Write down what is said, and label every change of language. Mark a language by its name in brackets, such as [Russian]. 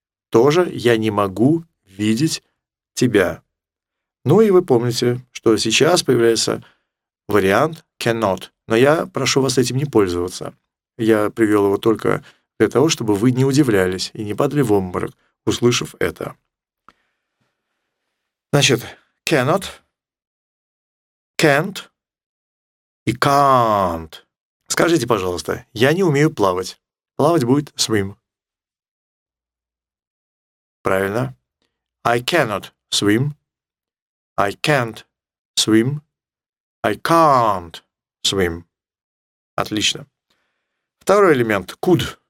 [Russian] Тоже я не могу видеть тебя. Ну и вы помните, что сейчас появляется вариант cannot. Но я прошу вас этим не пользоваться. Я привел его только для того, чтобы вы не удивлялись и не падали в обморок, услышав это. Значит, cannot, can't и can't. Скажите, пожалуйста, я не умею плавать. Плавать будет swim. Правильно. [English] I cannot swim. I can't swim. I can't swim. [Russian] Отлично. Второй элемент. [English] Could.